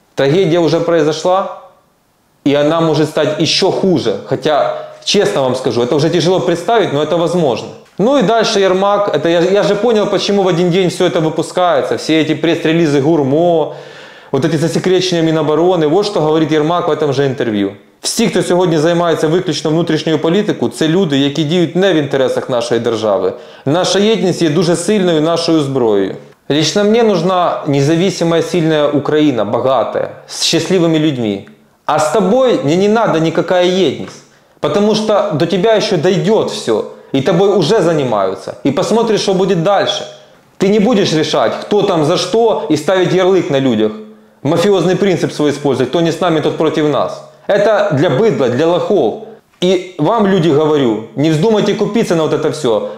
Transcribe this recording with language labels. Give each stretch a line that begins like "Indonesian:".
Russian: Трагедия уже произошла, и она может стать еще хуже. Хотя, честно вам скажу, это уже тяжело представить, но это возможно. Ну и дальше Ермак, это я же понял, почему в один день все это выпускается, все эти пресс-релизы ГУРМО, вот эти засекречения Минобороны, вот что говорит Ермак в этом же интервью.
Ukrainian: Всі, хто сьогодні займається виключно внутрішньою політикою, це люди, які діють не в інтересах нашої держави. Наша єдність є дуже сильною нашою зброєю. Лично мені нужна независимая, сильна Україна, багата, з щасливими людьми. А з тобою мені не треба ніякої єдність, тому що до тебе ще дійде все.
Russian: И тобой уже занимаются. И посмотришь, что будет дальше. Ты не будешь решать, кто там за что, и ставить ярлык на людях. Мафиозный принцип свой использовать. Кто не с нами, тот против нас. Это для быдла, для лохов. И вам, люди, говорю, не вздумайте купиться на вот это все.